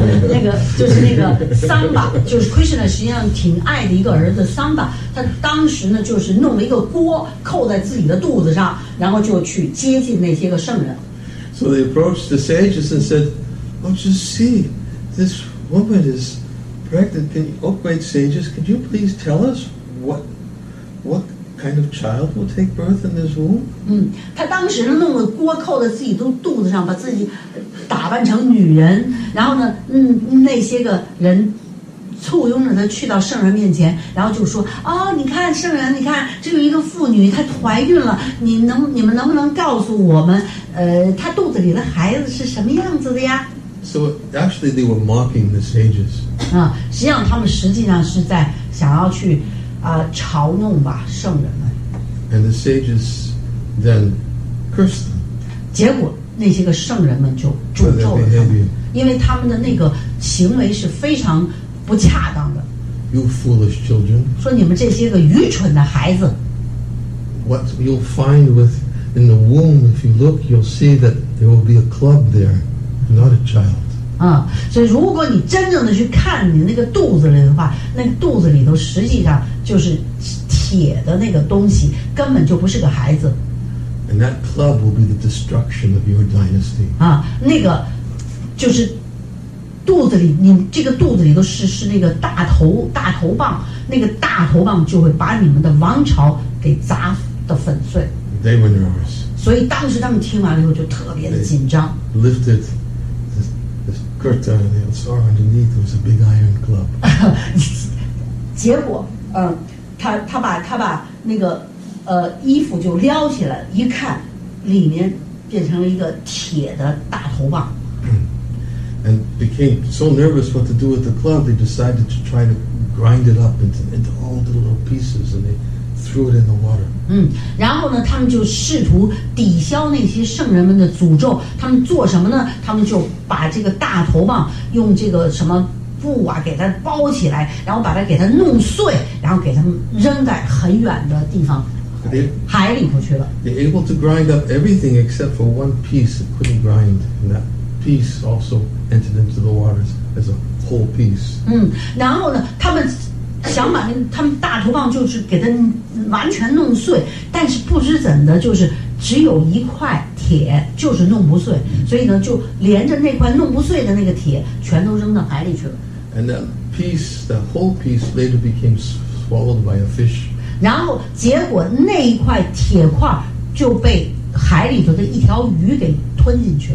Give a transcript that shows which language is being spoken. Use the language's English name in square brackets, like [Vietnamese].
[Chinese] 那个就是那个桑巴，就是 Krishna 实际上挺爱的一个儿子桑巴，他当时呢就是弄了一个锅扣在自己的肚子上，然后就去接近那些个圣人。 [English] So they approached the sages and said, "Oh, just see, this woman is pregnant. Oh, great sages, could you please tell us what kind of child will take birth in this womb?" [Chinese] 嗯，他当时弄了锅扣在自己的肚子上，把自己打扮成女人，然后呢，那些个人簇拥着他去到圣人面前，然后就说：“哦，你看圣人，你看这有一个妇女，她怀孕了，你们能不能告诉我们，她肚子里的孩子是什么样子的呀 [English] ？”So actually, they were mocking the sages. [Chinese] 啊，实际上他们实际上是在想要去嘲弄吧圣人们。 [English] And the sages then cursed them. [Chinese] 结果那些个圣人们就诅咒了他们，因为他们的那个行为是非常不恰当的。 [English] You foolish children. [Chinese] 说你们这些个愚蠢的孩子。 [English] What you'll find with in the womb, if you look, you'll see that there will be a club there, not a child. [Chinese] 啊，所以如果你真正的去看你那个肚子里的话，那个肚子里头实际上就是铁的那个东西，根本就不是个孩子。 [English] And that club will be the destruction of your dynasty. [Chinese] 啊，那个就是肚子里，你这个肚子里头是那个大头棒，那个大头棒就会把你们的王朝给砸的粉碎。 [English] They were nervous. [Chinese] 所以当时他们听完了以后就特别的紧张。 [English] They lifted the curtain and they saw underneath was a big iron club. [Chinese] 结果，他把那个衣服就撩起来，一看，里面变成了一个铁的大头棒。 [English] And became so nervous what to do with the club, they decided to try to grind it up into all the little pieces, and they threw it in the water. [Chinese] 嗯，然后呢，他们就试图抵消那些圣人们的诅咒。他们做什么呢？他们就把这个大头棒用这个什么布啊给它包起来，然后把它给它弄碎，然后给它扔在很远的地方。海里头去了。 [English] They're able to grind up everything except for one piece that couldn't grind, and that piece also entered into the waters as a whole piece. [Chinese] 嗯，然后呢，他们想把他们大头棒就是给它完全弄碎，但是不知怎的，就是只有一块铁就是弄不碎，所以呢，就连着那块弄不碎的那个铁全都扔到海里去了。 [English] And that piece, that whole piece, later became swallowed by a fish. [Chinese] 然后结果那一块铁块就被海里头的一条鱼给吞进去。